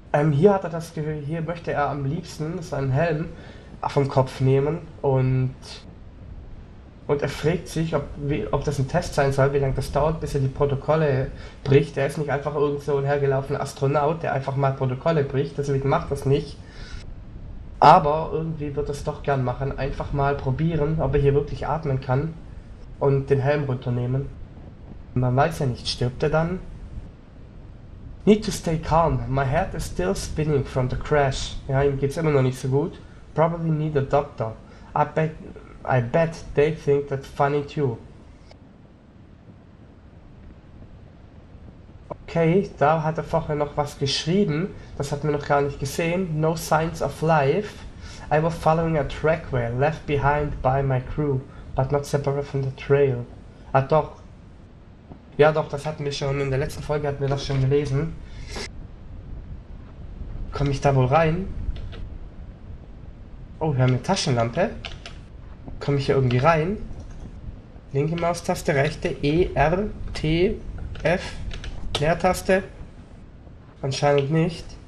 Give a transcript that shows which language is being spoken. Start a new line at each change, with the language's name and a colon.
German: Hier möchte er am liebsten seinen Helm vom Kopf nehmen und er fragt sich, ob das ein Test sein soll, wie lange das dauert, bis er die Protokolle bricht. Er ist nicht einfach irgend so ein hergelaufener Astronaut, der einfach mal Protokolle bricht, deswegen macht das nicht. Aber irgendwie wird er es doch gern machen, einfach mal probieren, ob er hier wirklich atmen kann und den Helm runternehmen. Man weiß ja nicht, stirbt er dann?
English: Need to stay calm. My head is still spinning from the crash.
German: Ja, ihm geht's immer noch nicht so gut.
English: Probably need a doctor. I bet they think that funny too.
German: Okay, da hat er vorher noch was geschrieben. Das hat man noch gar nicht gesehen.
English: No signs of life. I was following a trackway left behind by my crew, but not separate from the trail.
German: Ah, doch. Ja, doch, das hatten wir schon. In der letzten Folge hatten wir das schon gelesen. Komme ich da wohl rein? Oh, wir haben eine Taschenlampe. Komme ich hier irgendwie rein? Linke Maustaste, rechte E, R, T, F, Leertaste. Anscheinend nicht.